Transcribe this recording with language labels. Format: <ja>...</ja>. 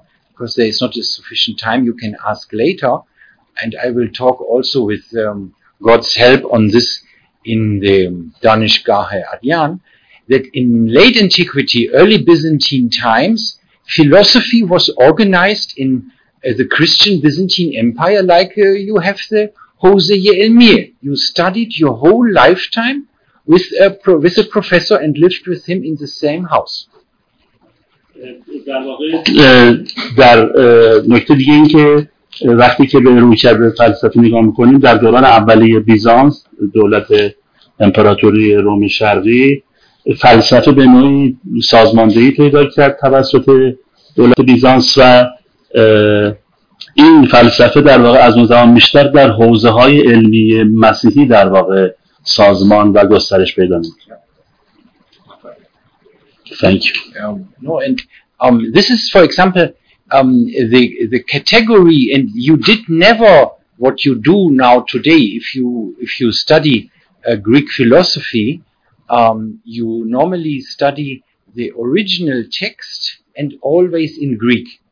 <en>because there is not a sufficient time, you can ask later, and I will talk also with God's help on this in the Danish Gahe Adyan, that in late antiquity, early Byzantine times, philosophy was organized in the Christian Byzantine Empire, like you have the Hosea Yehelmiel. You studied your whole lifetime with a professor and lived with him in the same house.</en> <fa>در نکته دیگه این که وقتی که به رویکرد فلسفی نگاه میکنیم، در دوران اولیه بیزانس، دولت امپراتوری روم شرقی، فلسفه به نوعی سازماندهی پیدا کرد توسط دولت بیزانس و این فلسفه در واقع از اون زمان بیشتر در حوزه های علمی مسیحی در واقع سازمان و گسترش پیدا می‌کرد.</fa> <en>Thank you. No, and this is for example the category, and you did never what you do now today. If you study Greek philosophy, you normally study the original text and always in Greek.</en>